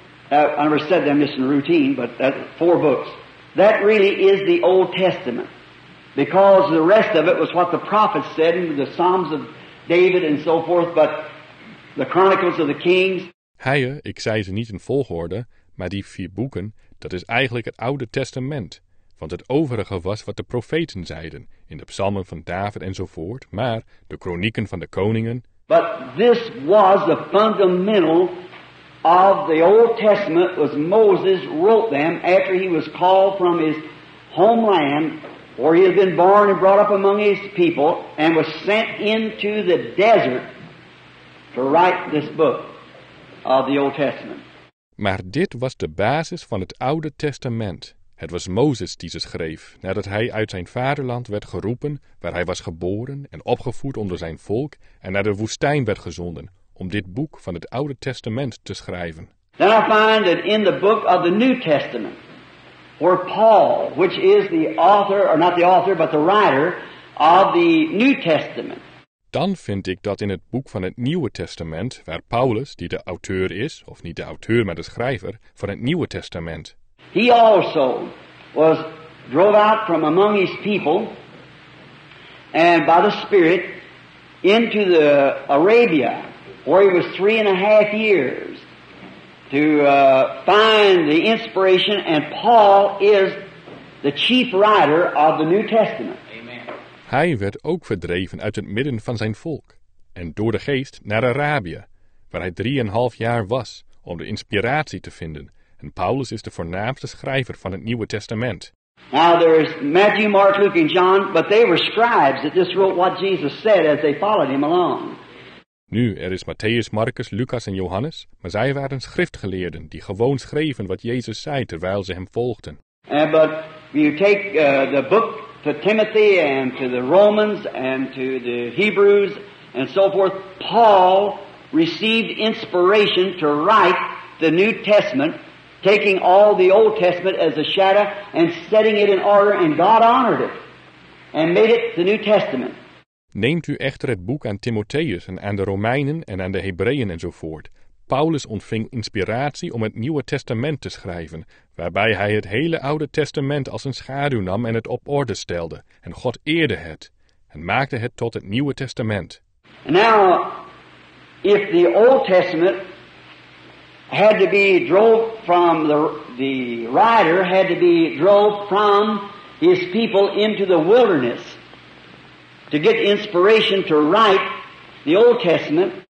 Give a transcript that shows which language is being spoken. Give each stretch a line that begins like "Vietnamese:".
English: I never said them just in routine, but that four books. That really is the Old Testament. Because the rest of it was what the prophets said in the Psalms of David and so forth, but the Chronicles of the Kings.
Dutch: Heer, ik zei ze niet in volgorde, maar die vier boeken, dat is eigenlijk het Oude Testament. Want het overige was wat de profeten zeiden, in de Psalmen van David en zo voort, maar de Chronieken van de Koningen.
English: But this was the fundamental of the Old Testament, was Moses wrote them after he was called from his homeland. Or he had been born and brought up among his people and was sent into the desert to write this book of the Old Testament.
Dutch: Maar dit was de basis van het Oude Testament. Het was Mozes die ze schreef, nadat hij uit zijn vaderland werd geroepen, waar hij was geboren en opgevoed onder zijn volk, en naar de woestijn werd gezonden, om dit boek van het Oude Testament te schrijven.
English: Then I find that in the book of the New Testament, where Paul, which is the author, or not the author, but the writer of the New Testament.
Dutch: Dan vind ik dat in het boek van het Nieuwe Testament, waar Paulus, die de auteur is, of niet de auteur, maar de schrijver, van het Nieuwe Testament.
English: He also was drove out from among his people, and by the Spirit, into the Arabia, where he was 3.5 years. To find the inspiration, and Paul is the chief writer of the New Testament. Amen.
Dutch: Hij werd ook verdreven uit het midden van zijn volk, en door de geest naar Arabië, waar hij 3.5 jaar was, om de inspiratie te vinden. En Paulus is de voornaamste schrijver van het Nieuwe Testament.
English: Now there is Matthew, Mark, Luke, and John, but they were scribes that just wrote what Jesus said as they followed him along.
Dutch: Nu, er is Matthäus, Marcus, Lucas en Johannes, maar zij waren schriftgeleerden die gewoon schreven wat Jezus zei terwijl ze hem volgden.
English: But you take the book to Timothy and to the Romans and to the Hebrews and so forth, Paul received inspiration to write the New Testament, taking all the Old Testament as a shadow and setting it in order, and God honored it and made it the New Testament.
Dutch: Neemt u echter het boek aan Timotheus en aan de Romeinen en aan de Hebreeën enzovoort. Paulus ontving inspiratie om het Nieuwe Testament te schrijven, waarbij hij het hele Oude Testament als een schaduw nam en het op orde stelde, en God eerde het. and Magda had taught it Nieuwe Testament.
English: Now, if the Old Testament had to be drove from the writer, had to be drove from his people into the wilderness to get inspiration to write the Old Testament.